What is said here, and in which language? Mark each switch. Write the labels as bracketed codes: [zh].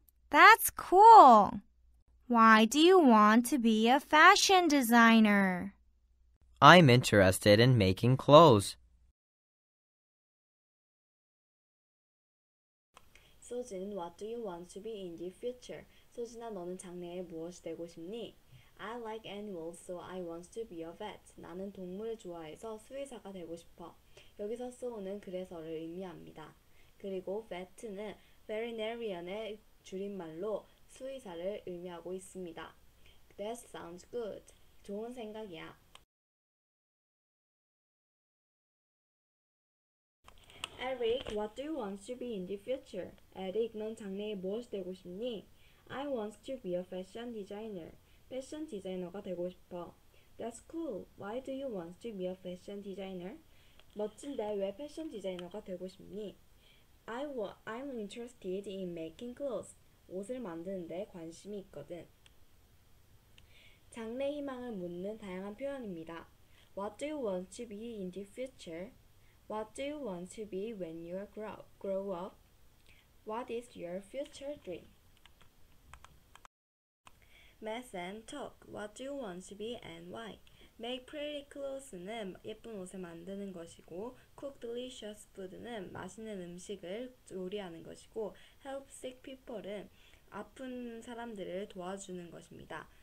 [en] That's cool. Why do you want to be a fashion designer? I'm interested in making clothes. 소진, what do you want to be in the future? [ko] 소진아, 너는 장래에 무엇이 되고 싶니? [en] I like animals, so I want to be a vet. [ko] 나는 동물을 좋아해서 수의사가 되고 싶어. 여기서 so는 그래서를 의미합니다. 그리고 vet는 veterinarian의 줄임말로 수의사를 의미하고 있습니다. [en] That sounds good. [ko] 좋은 생각이야. [en] 에릭, what do you want to be in the future? [ko] 에릭, 넌 장래에 무엇이 되고 싶니? [en] I want to be a fashion designer. [ko] 패션 디자이너가 되고 싶어. [en] That's cool. Why do you want to be a fashion designer? [ko] 멋진데 왜 패션 디자이너가 되고 싶니? [en] I'm interested in making clothes. [ko] 옷을 만드는데 관심이 있거든. 장래 희망을 묻는 다양한 표현입니다. [en] What do you want to be in the future? What do you want to be when you grow up? What is your future dream? Math and talk. What do you want to be and why? Make pretty clothes [ko] 는 예쁜 옷을 만드는 것이고, [en] cook delicious food [ko] 는 맛있는 음식을 요리하는 것이고, [en] help sick people [ko] 은 아픈 사람들을 도와주는 것입니다.